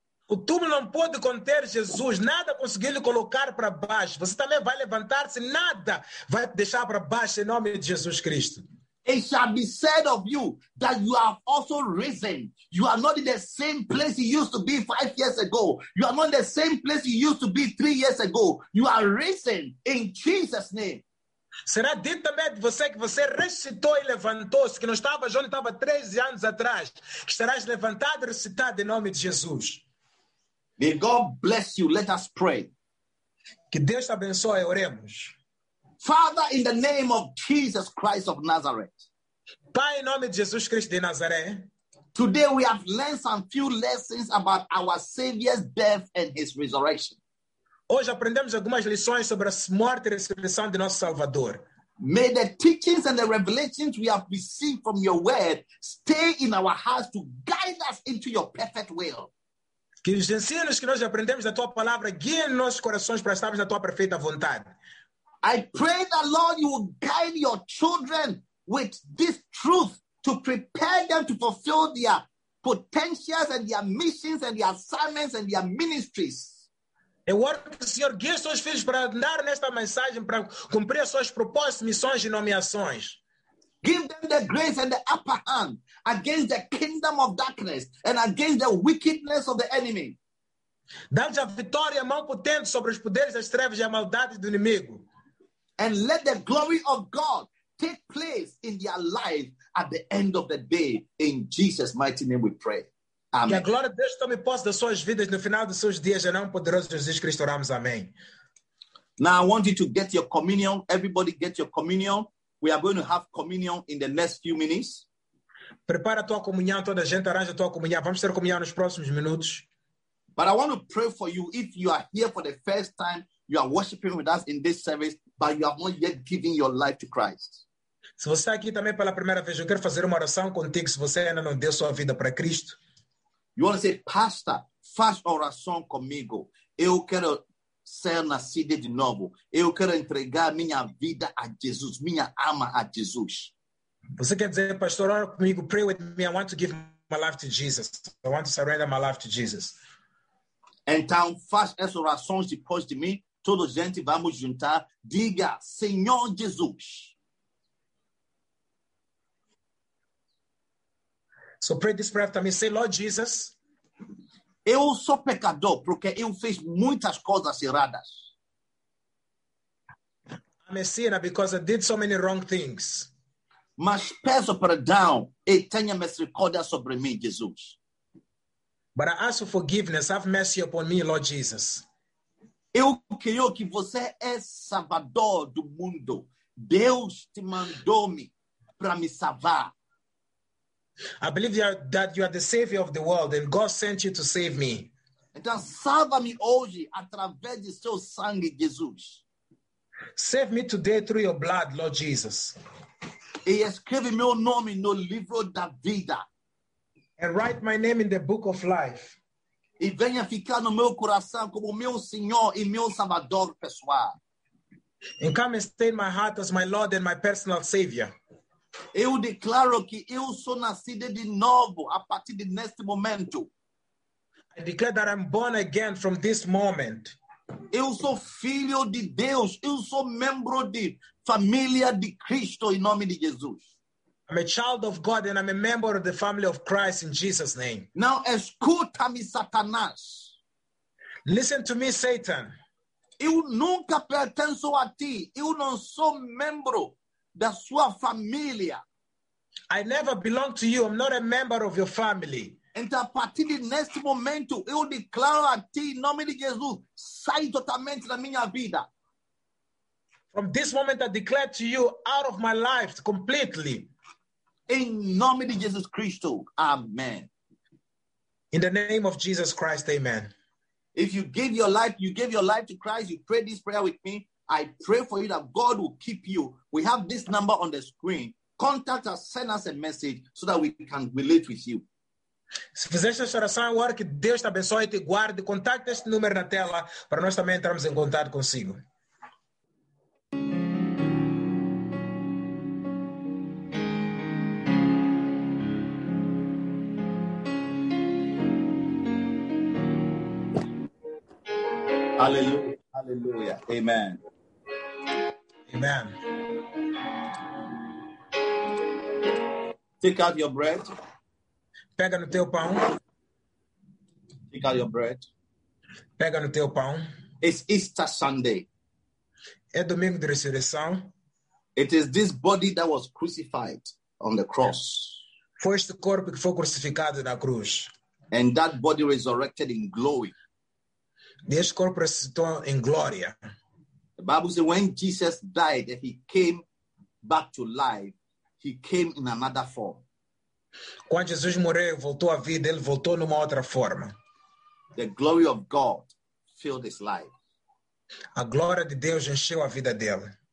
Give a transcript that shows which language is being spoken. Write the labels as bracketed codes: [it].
[pt] O túmulo não pode conter Jesus, nada conseguiu lhe colocar para baixo. Você também vai levantar-se, nada vai deixar para baixo em nome de Jesus Cristo. [en] It shall be said of you that you have also risen. You are not in the same place you used to be 5 years ago. You are not in the same place you used to be 3 years ago. You are risen in Jesus' name. [pt] Será dito também de você que você ressuscitou e levantou-se, que não estava onde estava 13 anos atrás, que estarás levantado e ressuscitado em nome de Jesus. [en] May God bless you. Let us pray. [pt] Que Deus te abençoe. Oremos. [en] Father, in the name of Jesus Christ of Nazareth. [pt] Pai, em nome de Jesus Cristo de Nazaré. [en] Today we have learned some few lessons about our Savior's death and his resurrection. [pt] Hoje aprendemos algumas lições sobre a morte e ressurreição de nosso Salvador. [en] May the teachings and the revelations we have received from your word stay in our hearts to guide us into your perfect will. [pt] Que os ensinos que nós aprendemos da tua palavra guiem nossos corações para estarmos na tua perfeita vontade. [en] I pray that, Lord, you will guide your children with this truth to prepare them to fulfill their potentials and their missions and their assignments and their ministries. [pt] Eu oro que o Senhor guie os seus filhos para andar nesta mensagem, para cumprir as suas propostas, missões e nomeações. [en] Give them the grace and the upper hand against the kingdom of darkness and against the wickedness of the enemy. Dá-lhes a vitória, mão potente sobre os poderes das trevas e a maldade do inimigo. And let the glory of God take place in their life at the end of the day. In Jesus' mighty name we pray. Amen. [pt] Que a glória de Deus tome posse das suas vidas no final dos seus dias. Em nome poderoso Jesus Cristo oramos. Amém. [en] Now I want you to get your communion. Everybody get your communion. We are going to have communion in the next few minutes. [pt] Prepara a tua comunhão, toda a gente arranja a tua comunhão. Vamos ter comunhão nos próximos minutos. [en] But I want to pray for you if you are here for the first time, you are worshiping with us in this service, but you have not yet given your life to Christ. [pt] Se você está aqui também pela primeira vez, eu quero fazer uma oração contigo, se você ainda não deu sua vida para Cristo. [en] You want to say, [pt] Pastor, faz oração comigo. Eu quero ser nascido de novo. Eu quero entregar minha vida a Jesus, minha alma a Jesus. Você quer dizer, pastor, ora comigo, [en] pray with me. I want to give my life to Jesus. I want to surrender my life to Jesus. [pt] Então, faça essa oração depois de mim. Toda gente, vamos juntar. Diga, Senhor Jesus. [en] So pray this prayer after me. Say, Lord Jesus. [pt] Eu sou pecador porque eu fiz muitas coisas erradas. [en] I'm a sinner because I did so many wrong things. [pt] Mas peço perdão e tenha misericórdia sobre mim, Jesus. [en] But I ask for forgiveness. Have mercy upon me, Lord Jesus. [pt] Eu creio que você é salvador do mundo. Deus te mandou-me para me salvar. [en] I believe that you are the savior of the world and God sent you to save me. [pt] Então, salva-me hoje através de seu sangue, Jesus. [en] Save me today through your blood, Lord Jesus. [pt] E escreve meu nome no livro da vida. [en] And write my name in the book of life. [pt] E venha ficar no meu coração como meu Senhor e meu Salvador pessoal. [en] And come and stay in my heart as my Lord and my personal Savior. [pt] Eu declaro que eu sou nascido de novo a partir de neste momento. [en] I declare that I'm born again from this moment. [pt] Eu sou filho de Deus. Eu sou membro de família de Cristo em nome de Jesus. [en] I'm a child of God and I'm a member of the family of Christ in Jesus' name. [pt] Now, escuta-me, Satanás. [en] Listen to me, Satan. [pt] Eu nunca pertenço a ti. Eu não sou membro da sua família. [en] I never belong to you. I'm not a member of your family. [pt] Então, a partir de neste momento, eu declaro a ti, em nome de Jesus, sai totalmente da minha vida. [en] From this moment, I declare to you, out of my life, completely. [pt] Em nome de Jesus Cristo, amen. [en] In the name of Jesus Christ, amen. If you give your life, you give your life to Christ, you pray this prayer with me, I pray for you that God will keep you. We have this number on the screen. Contact us, send us a message so that we can relate with you. [pt] Se fizer esta oração, eu oro que Deus te abençoe e te guarde. Contacte este número na tela para nós também entrarmos em contato consigo. Aleluia, aleluia. Amen. Amen. [en] Take out your bread. [pt] Pega no teu pão. [en] Take out your bread. [pt] Pega no teu pão. [en] It's Easter Sunday. [pt] É domingo de ressurreição. [en] It is this body that was crucified on the cross. [pt] Foi este corpo que foi crucificado na cruz. [en] And that body resurrected in glory. [pt] Este corpo ressuscitou em glória. [en] The Bible says when Jesus died, that he came back to life, he came in another form. [pt] Quando Jesus morreu, voltou à vida, ele voltou numa outra forma. [en] The glory of God filled his life. [pt] A glória de Deus encheu a vida dele.